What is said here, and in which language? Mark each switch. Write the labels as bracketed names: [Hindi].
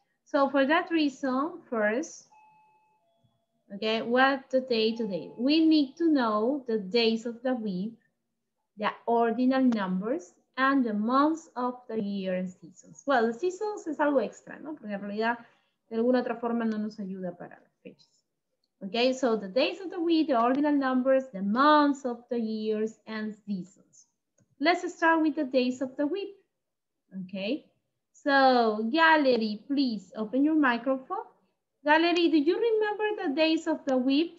[English] So for that reason, first, okay, what the day today? We need to know the days of the week, the ordinal numbers, and the months of the year and seasons. Well, the seasons is [Spanish] algo extra, ¿no? Porque en realidad, de alguna otra forma, no nos ayuda para las fechas. [English] Okay, so the days of the week, the ordinal numbers, the months of the years, and seasons. Let's start with the days of the week. Okay, so gallery, please open your microphone. Gallery, do you remember the days of the week?